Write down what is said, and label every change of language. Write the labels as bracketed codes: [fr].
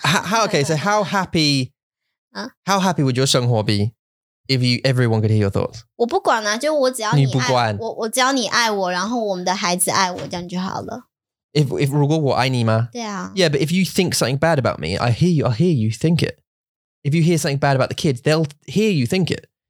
[en] How happy would your 生活 be if everyone could hear your thoughts? [zh] 我不管啊，就我只要你爱我，然后我们的孩子爱我，这样就好了。如果我爱你吗？对啊。 [en] Yeah, but if you think something bad about me, I hear you think it. If you hear something bad about the kids, they'll hear you think it.